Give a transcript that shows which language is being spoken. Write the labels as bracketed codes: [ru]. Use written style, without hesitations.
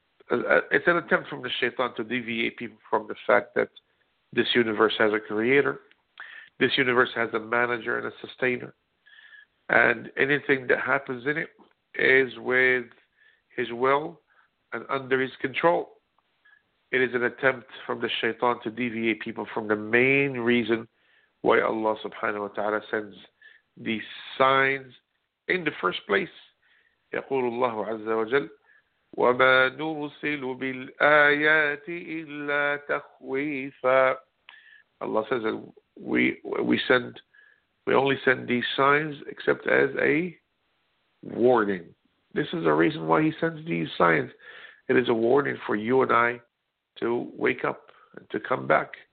[en] It's an attempt from the shaitan to deviate people from the fact that this universe has a creator, this universe has a manager and a sustainer, and anything that happens in it is with his will and under his control. It is an attempt from the shaitan to deviate people from the main reason why Allah subhanahu wa ta'ala sends these signs in the first place. [ar] يقول الله عز وجل وما نرسل بالآيات إلا تخويفا. [en] Allah says that we only send these signs except as a warning. This is the reason why he sends these signs. It is a warning for you and I to wake up and to come back.